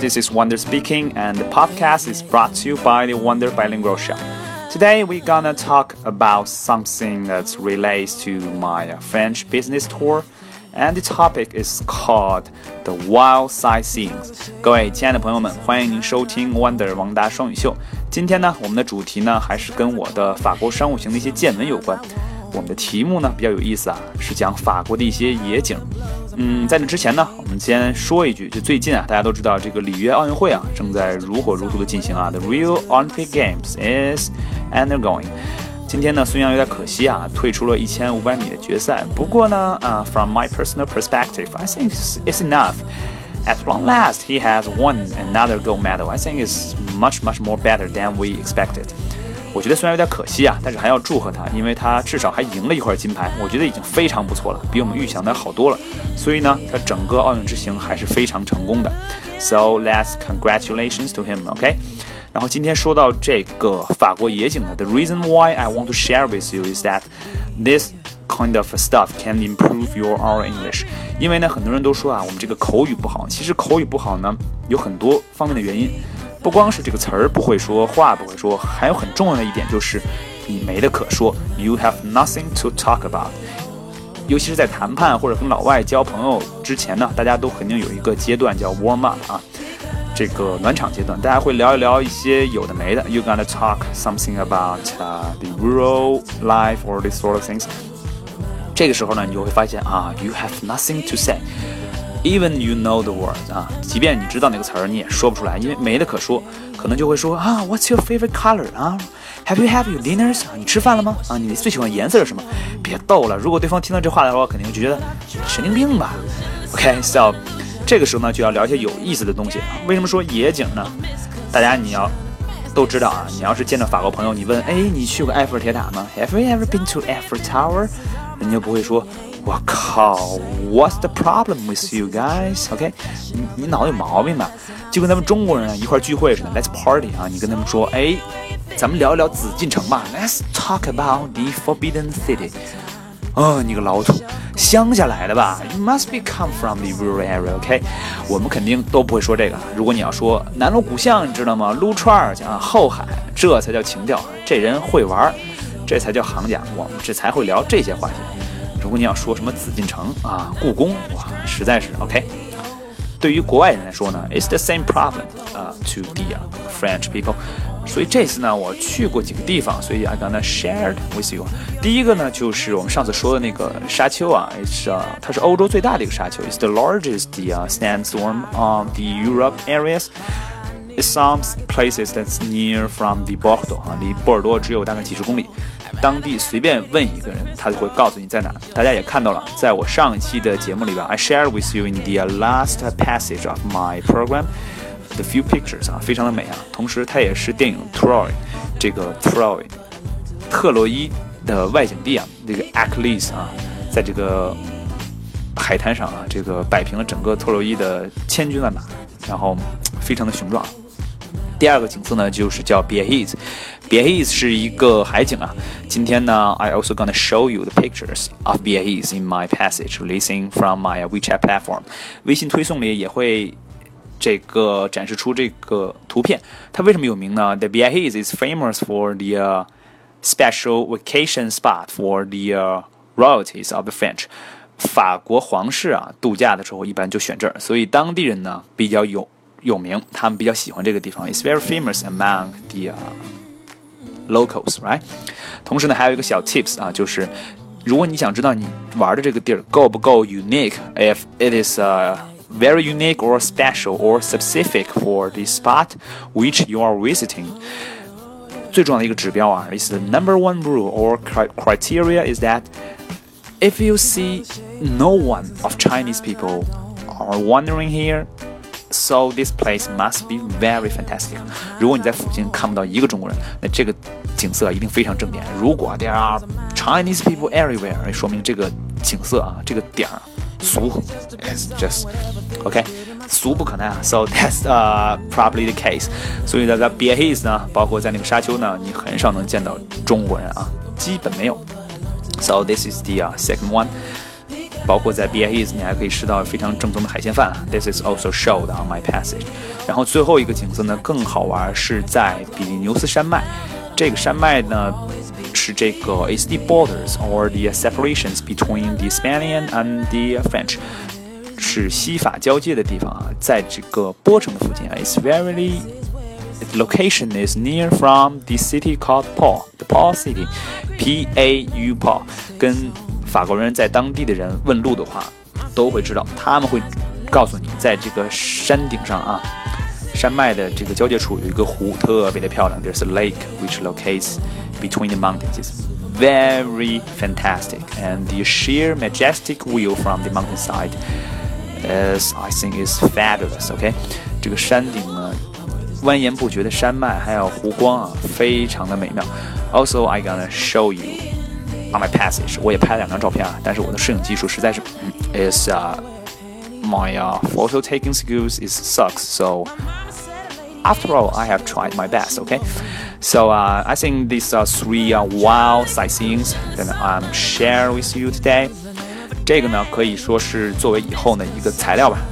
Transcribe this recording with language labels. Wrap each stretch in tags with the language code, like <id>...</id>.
<en>This is Wonder speaking, and the podcast is brought to you by the Wonder Bilingual Show. Today, we're gonna talk about something that relates to my French business tour, and the topic is called the Wild Sightseeing.</en> <zh>各位亲爱的朋友们，欢迎您收听 Wonder 王达双语秀。今天呢，我们的主题呢，还是跟我的法国商务型的一些见闻有关。我们的题目呢比较有意思啊，是讲法国的一些野景。在那之前呢，我们先说一句，就最近啊，大家都知道这个里约奥运会啊正在如火如荼的进行啊 ，</zh> <en>The Rio Olympic Games is undergoing。</en> <zh>今天呢，孙杨有点可惜啊，退出了1500米的决赛。不过呢，</zh> <en>from my personal perspective, I think it's enough. At long last, he has won another gold medal. I think it's much much more better than we expected.</en> <zh>我觉得虽然有点可惜啊，但是还要祝贺他，因为他至少还赢了一块金牌，我觉得已经非常不错了，比我们预想的好多了。所以呢，他整个奥运之行还是非常成功的。</zh> <en>So let's congratulations to him, okay?</en> <zh>然后今天说到这个法国野景呢</zh> <en>，The reason why I want to share with you is that this kind of stuff can improve your oral English.</en> <zh>因为呢，很多人都说啊，我们这个口语不好，其实口语不好呢，有很多方面的原因。不光是这个词儿不会说，话不会说，还有很重要的一点就是你没的可说，</zh> <en>You have nothing to talk about。</en> <zh>尤其是在谈判或者跟老外交朋友之前呢，大家都肯定有一个阶段叫 warm up 啊，这个暖场阶段，大家会聊一聊一些有的没的。</zh> <en>You're gonna talk something about the rural life or this sort of things。</en> <zh>这个时候呢，你就会发现啊，</zh> <en>You have nothing to sayEven you know the words,</en> <zh>啊，即便你知道那个词儿，你也说不出来，因为没得可说。</zh> <en>可能就会说啊 ，What's your favorite color? 啊 ，Have you had your dinners?</en> <zh>啊，你吃饭了吗？啊，你最喜欢颜色是什么？别逗了，如果对方听到这话的话，肯定就觉得神经病吧。 Okay, so 这个时候呢，就要聊一些有意思的东西。为什么说野景呢？大家你要都知道啊，你要是见到法国朋友，你问，哎，你去过埃菲尔铁塔吗 ？</zh> <en>Have you ever been to Eiffel Tower?</en> <zh>人家不会说。我靠</zh> <en>，What's the problem with you guys?</en> <zh>OK， 你脑子有毛病吧？就跟咱们中国人一块聚会似的 ，</zh> <en>Let's party</en> <zh>啊！你跟他们说，哎，咱们聊一聊紫禁城吧 ，</zh> <en>Let's talk about the Forbidden City。</en> <zh>哦，你个老土，乡下来的吧</zh> <en>？You must be come from the rural area， OK？</en> <zh>我们肯定都不会说这个。如果你要说南锣鼓巷，你知道吗？撸串儿啊，后海，这才叫情调，这人会玩，这才叫行家，我们这才会聊这些话题。如果你要说什么紫禁城啊，故宫，哇，实在是 OK。对于国外人来说呢</zh> <en>，it's the same problem to the French people。</en> <zh>所以这次呢，我去过几个地方，所以</zh> <en>I'm gonna share it with you。</en> <zh>第一个呢，就是我们上次说的那个沙丘啊，它是欧洲最大的一个沙丘 ，</zh> <en>it's the largest sandstorm on the Europe areas。 It's some places that's near from the Bordeaux 啊，</en> <zh>离波尔多只有大概几十公里。当地随便问一个人，他就会告诉你在哪。大家也看到了，在我上一期的节目里边</zh> <en>，I shared with you in the last passage of my program the few pictures 啊，</en> <zh>非常的美啊。同时，它也是电影 Troy 这个 Troy 特洛伊的外景地啊，这个 Achilles 啊，在这个海滩上啊，这个摆平了整个特洛伊的千军万马，然后非常的雄壮。第二个景色呢，就是叫 Biarritz。Biarritz 是一个海景啊。今天呢</zh> <en>，I also gonna show you the pictures of Biarritz in my passage, releasing from my WeChat platform。</en> <zh>微信推送里也会这个展示出这个图片。它为什么有名呢</zh> <en>？The Biarritz is famous for the special vacation spot for the royalties of the French。</en> <zh>法国皇室啊，度假的时候一般就选这儿，所以当地人呢比较有名，他们比较喜欢这个地方。</zh> <en>It's very famous among the locals, right? 同时呢，还有一个小 tips 啊，</en> <zh>就是如果你想知道你玩的这个地儿够不够</zh> <en>unique, if it is very unique or special or specific for the spot which you are visiting,</en> <zh>最重要的一个指标啊</zh> <en>，is the number one rule or criteria is that if you see no one of Chinese people are wandering here. So this place must be very fantastic.</en> <zh>如果你在附近看不到一个中国人，那这个景色一定非常正点。如果</zh> <en>there are Chinese people everywhere,</en> <zh>说明这个景色啊，这个点儿俗 ，</zh> <en>it's just okay,</en> <zh>俗不可耐啊。</zh> <en>So that's probably the case.</en> <zh>所以在Biarritz呢，包括在那个沙丘呢，你很少能见到中国人啊，基本没有。</zh> <en>So this is the second one.</en> <zh>包括在 BIEs 你还可以吃到非常正宗的海鲜饭。</zh> <en>This is also showed on my passage.</en> <zh>然后最后一个景色呢更好玩，是在比利牛斯山脉。这个山脉呢是这个</zh> <en>is the borders or the separations between the Spanian and the French，</en> <zh>是西法交界的地方啊，在这个波城的附近啊。</zh> <en>It's verily, its location is near from the city called Pau, the Pau City, P-A-U, Pau.</en> <zh>跟法国人在当地的人问路的话，都会知道，他们会告诉你，在这个山顶上啊，山脉的这个交界处有一个湖，特别的漂亮。</zh> <en>There's a lake which locates between the mountains. Very fantastic, and the sheer majestic view from the mountainside is, I think, is fabulous.</en> <zh>Okay, 这个山顶呢，蜿蜒不绝的山脉，还有湖光啊，非常的美妙。</zh> <en>Also, I gonna show you on my passage.</en> <zh>我也拍了两张照片啊，但是我的摄影技术实在是</zh> <en>is my photo taking skills is sucks. So after all, I have tried my best. Okay. So, I think these are three wild sightseeings that I'm sharing with you today.</en> <zh>这个呢可以说是作为以后的一个材料吧。</zh>